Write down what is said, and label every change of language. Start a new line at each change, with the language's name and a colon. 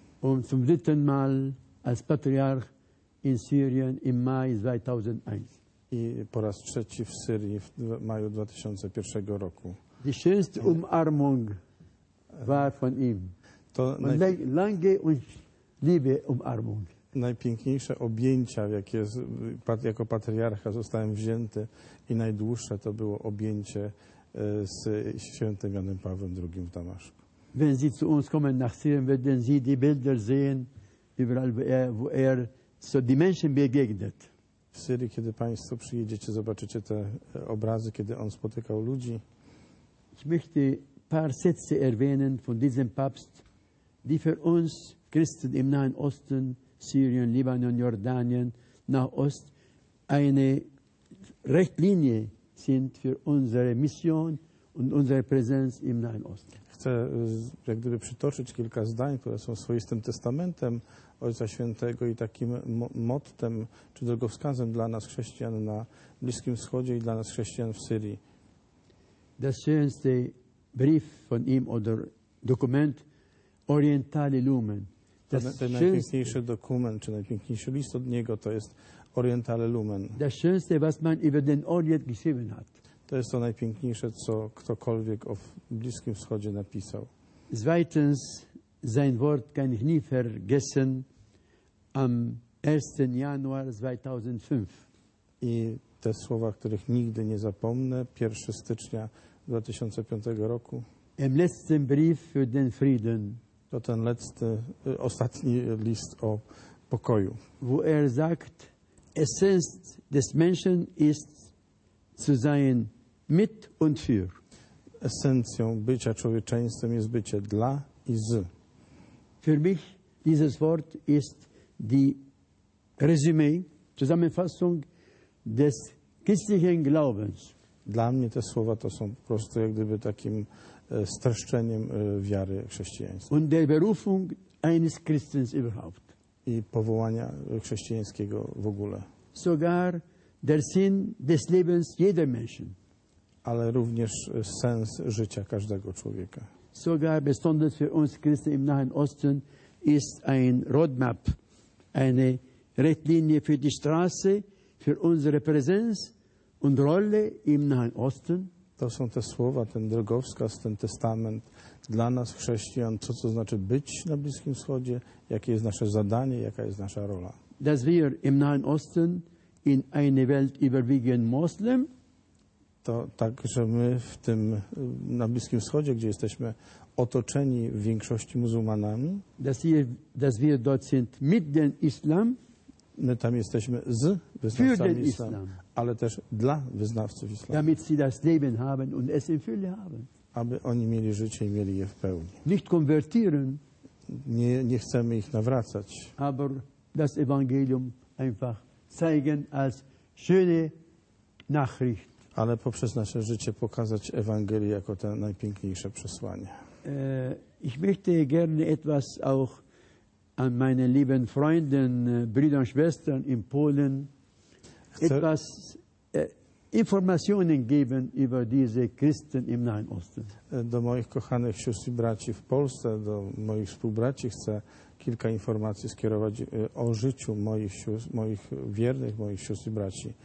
German: Und zum dritten Mal als Patriarch in Syrien im Mai 2001.
Polish: I po raz trzeci w Syrii w maju 2001 roku.
German: Die schönste Umarmung war von ihm. To lange und liebe Umarmung.
Polish: Najpiękniejsze objęcia, jakie jako patriarcha zostałem wzięty i najdłuższe, to było objęcie z świętym Janem Pawłem II w Damaszku.
German: Wenn Sie zu uns kommen nach Syrien, werden Sie die Bilder sehen, überall wo er so die Menschen begegnet.
Polish: W Syrii, kiedy Państwo przyjedziecie, zobaczycie te obrazy, kiedy on spotykał ludzi.
German: Ich möchte paar Sätze erwähnen von diesem Papst, die für uns Christen im Nahen Osten, Syrien, Libanon, Jordanien, Nahost eine Richtlinie sind für unsere Mission und unsere Präsenz im Nahen Osten.
Polish: Chcę jak gdyby przytoczyć kilka zdań, które są swoistym testamentem Ojca Świętego i takim mottem czy drogowskazem dla nas chrześcijan na Bliskim Wschodzie i dla nas chrześcijan w Syrii.
German: Das schönste Brief von ihm oder Dokument Orientale Lumen.
Polish: Ten najpiękniejszy dokument, czy najpiękniejszy list od niego, to jest Orientale Lumen.
German: Das schönste, was man über den Orient geschrieben hat.
Polish: To jest to najpiękniejsze, co ktokolwiek o Bliskim Wschodzie napisał.
German: Zweitens, sein Wort kann ich nie vergessen, am 1. Januar 2005.
Polish: I te słowa, których nigdy nie zapomnę, 1 stycznia 2005 roku.
German: Im letzten Brief für den Frieden.
Polish: To ten ostatni list o pokoju.
German: Wo er sagt, Essenz des Menschen ist zu sein mit und für.
Polish: Esencją bycia człowieczeństwem jest bycie dla i z.
German: Für mich dieses Wort ist die Resümee, Zusammenfassung des christlichen Glaubens.
Polish: Dla mnie te słowa to są po prostu jak gdyby takim streszczeniem wiary chrześcijańskiej.
German: Und der Berufung eines Christens überhaupt.
Polish: I powołania chrześcijańskiego w ogóle.
German: Sogar der Sinn des Lebens jeder Menschen.
Polish: Ale również sens życia każdego człowieka.
German: Sogar besonders für uns Christen im Nahen Osten ist ein Roadmap, eine Richtlinie für die Straße, für unsere Präsenz und Rolle im Nahen Osten.
Polish: To są te słowa, ten drogowskaz, ten testament dla nas, chrześcijan, co to znaczy być na Bliskim Wschodzie, jakie jest nasze zadanie, jaka jest nasza rola.
German: Dass wir im Nahen Osten in eine Welt überwiegend Muslim.
Polish: To tak, że my w tym, na Bliskim Wschodzie, gdzie jesteśmy otoczeni w większości muzułmanami.
German: Dass wir dort sind mit dem Islam.
Polish: my tam jesteśmy z wyznawcami islamu, ale też dla wyznawców islamu.
German: Damit sie das Leben haben und es in Fülle haben.
Polish: Aby oni mieli życie i mieli je w pełni.
German: Nicht konvertieren.
Polish: Nie chcemy ich nawracać.
German: Aber das Evangelium einfach zeigen als schöne Nachricht.
Polish: Ale poprzez nasze życie pokazać Ewangelię jako to najpiękniejsze przesłanie.
German: Ich möchte gerne etwas auch an meine lieben Freunde, Brüder und Schwestern in Polen etwas Informationen geben über diese Christen im Nahen Osten.
Polish: Do moich kochanych sióstr i braci w Polsce, do moich współbraci chcę kilka informacji skierować o życiu moich wiernych, moich sióstr i braci.